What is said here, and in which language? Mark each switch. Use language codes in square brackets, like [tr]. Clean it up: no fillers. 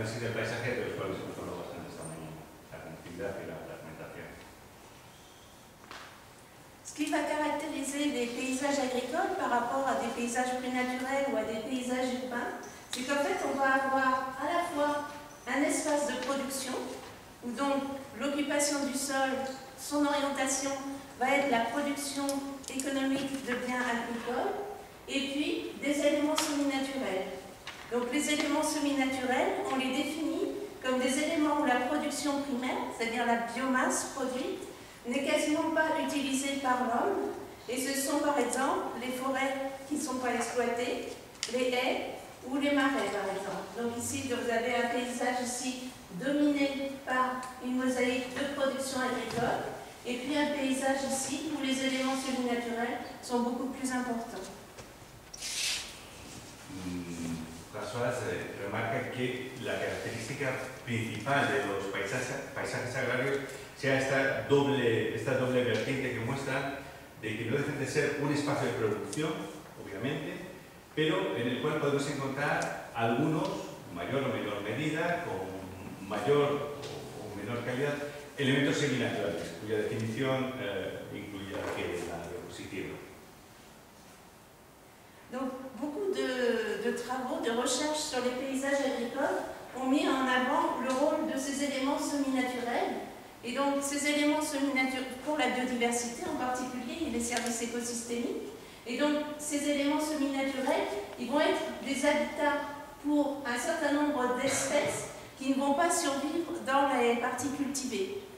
[es] del paisaje de los cuales hemos hablado bastante esta mañana, la conectividad y la fragmentación. [fr] Ce qui va caractériser les paysages agricoles par rapport à des paysages prénaturels ou à des paysages urbains, c'est qu'en fait on va avoir à la fois un espace de production, où donc l'occupation du sol, son orientation va être la production économique de biens agricoles, et puis des éléments semi-naturels. Donc les éléments semi-naturels, on les définit comme des éléments où la production primaire, c'est-à-dire la biomasse produite, n'est quasiment pas utilisée par l'homme, et ce sont par exemple les forêts qui ne sont pas exploitées, les haies ou les marais par exemple. Donc ici, vous avez un paysage ici dominé par une mosaïque de production agricole, et puis un paysage ici où les éléments semi-naturels sont beaucoup plus importants. [es] François remarca que la característica principal de los paisajes agrarios sea esta doble vertiente que muestra de que no dejan de ser un espacio de producción, obviamente, pero en el cual podemos encontrar algunos, mayor o menor medida, con mayor o menor calidad, elementos semi-naturales, cuya definición incluye que la diapositiva. [fr] Donc, beaucoup de travaux, de recherches sur les paysages agricoles ont mis en avant le rôle de ces éléments semi-naturels. Et donc, ces éléments semi-naturels, pour la biodiversité en particulier, et les services écosystémiques, et donc, ces éléments semi-naturels, ils vont être des habitats pour un certain nombre d'espèces qui ne vont pas survivre dans les parties cultivées.